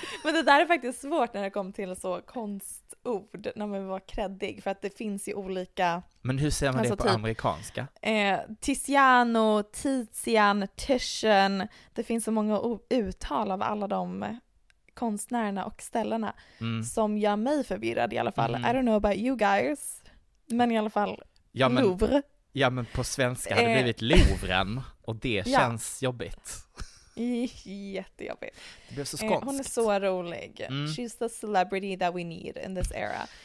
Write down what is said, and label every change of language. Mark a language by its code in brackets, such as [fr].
[sv] Men det där är faktiskt svårt när det kom till så konstord, när man var kreddig, för att det finns ju olika... Men hur säger man alltså det på typ, amerikanska? Tiziano, Tizian, Titian, det finns så många uttal av alla de konstnärerna och ställena som gör mig förvirrad i alla fall. Mm. [en] I don't know about you guys, [sv] men i alla fall ja, men, Louvre. Ja, men på svenska hade det blivit Louvren och det känns jobbigt. Jättejobbigt. Det blev så skånskt. Hon är så rolig. Mm. [en] She's the celebrity that we need in this era.